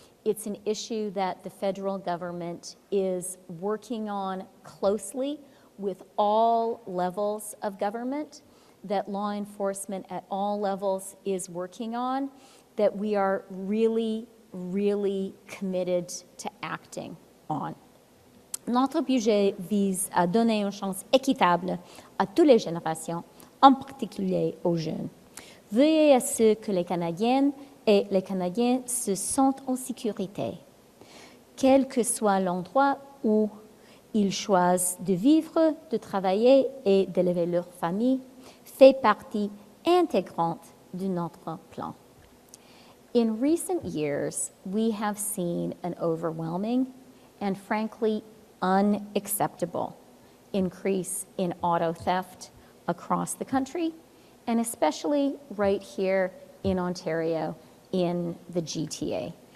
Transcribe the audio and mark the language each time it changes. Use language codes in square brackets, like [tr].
[en] It's an issue that the federal government is working on closely with all levels of government, that law enforcement at all levels is working on, that we are really, really committed to acting on. [fr] Notre budget vise à donner une chance équitable à toutes les générations, en particulier aux jeunes. Veillez à ce que les Canadiennes et les Canadiens se sentent en sécurité, quel que soit l'endroit où ils choisissent de vivre, de travailler et d'élever leur famille, fait partie intégrante de notre plan. [en] In recent years, we have seen an overwhelming and frankly unacceptable increase in auto theft across the country, and especially right here in Ontario in the GTA.